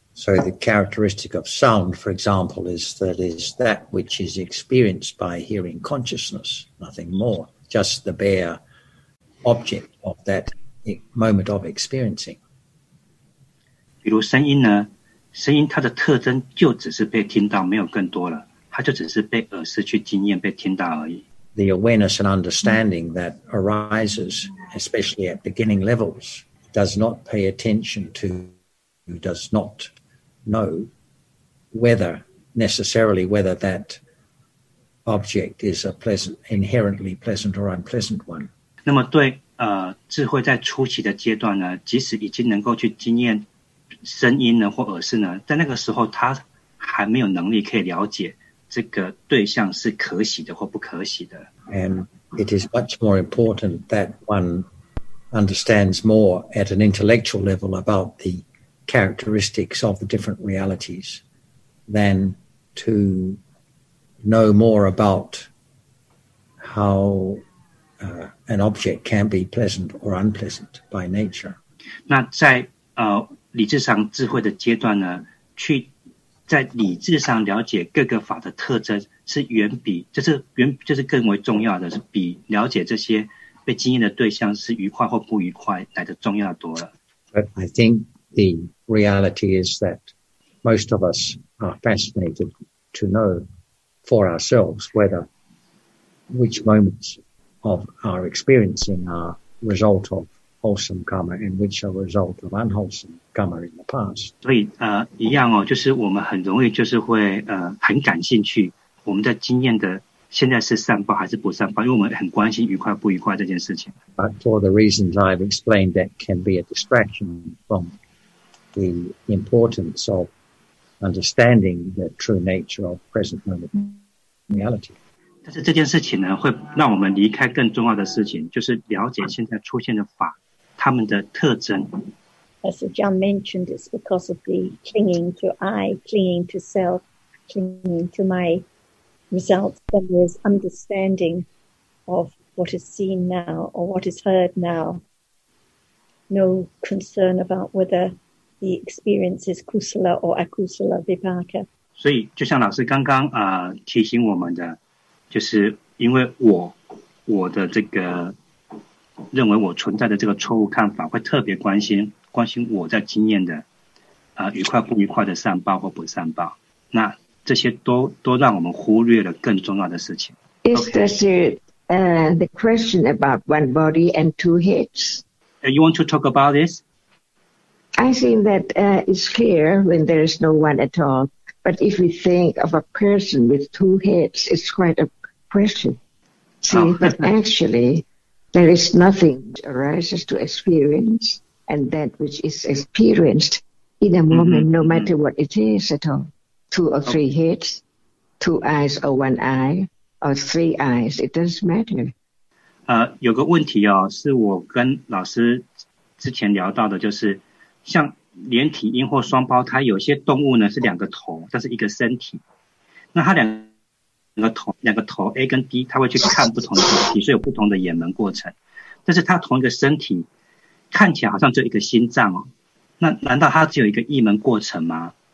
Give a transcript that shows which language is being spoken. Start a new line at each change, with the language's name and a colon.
English: So the characteristic of sound, for example, is that it is that which is experienced by hearing consciousness, nothing more, just the bare object of that moment of experiencing.
Chinese: 比如声音呢，声音它的特征就只是被听到，没有更多了，它就只是被耳识去经验，被听到而已。
English: The awareness and understanding that arises, especially at beginning levels, does not pay attention to, does not. Know whether necessarily whether that object is a pleasant, inherently pleasant or unpleasant one.
Chinese: 那么对智慧在初期的阶段呢，即使已经能够去经验声音呢或耳识呢，在那个时候他还没有能力可以了解这个对象是可喜的或不可喜的。
English: And it is much more important that one understands more at an intellectual level about the. Characteristics of the different realities than to know more about how an object can be pleasant or unpleasant by nature.
Chinese: 那在理智上智慧的阶段呢，去在理智上了解各个法的特征是远比这、就是远就是更为重要的，是比了解这些被经验的对象是愉快或不愉快来的重要多了。
English: But I think. The reality is that most of us are fascinated to know for ourselves whether which moments of our experiencing are result of wholesome karma and which are result of unwholesome karma in the past.
Chinese: 所以一样哦，就是我们很容易就是会很感兴趣我们的经验的现在是善报还是不善报，因为我们很关心愉快不愉快这件事情。
English: But for the reasons I've explained, that can be a distraction from. The importance of understanding the true nature of present moment reality.
Chinese: 但是这件事情呢，会让我们离开更重要的事情，就是了解现在出现的法，它们的特征。
English: As John mentioned, it's because of the clinging to I, clinging to self, clinging to my results. There is understanding of what is seen now or what is heard now. No concern about whether. The experience is kusala or akusala vipaka.
Chinese: 所以就像老师刚刚提醒我们的，就是因为我的这个认为我存在的这个错误看法，会特别关心我在经验的愉快不愉快的善报或不善报。那这些都让我们忽略了更重要的事情。
English: Is this the question about one body and two heads? You want to talk about this? I think that it's clear when there is no one at all. But if we think of a person with two heads, it's quite a question. See, but actually, there is nothing which arises to experience, and that which is experienced in a moment, no matter what it is at all, two or three heads, two eyes or one eye or three eyes, it doesn't matter.
Chinese: 有个问题哦，是我跟老师之前聊到的，就是像连体婴或双胞胎，有些动物呢是两个头，但是一个身体，那它两个头 A 跟 D， 它会去看不同的东西，所以有不同的眼门过程，但是它同一个身体看起来好像只有一个心脏哦，那难道它只有一个一门过程吗？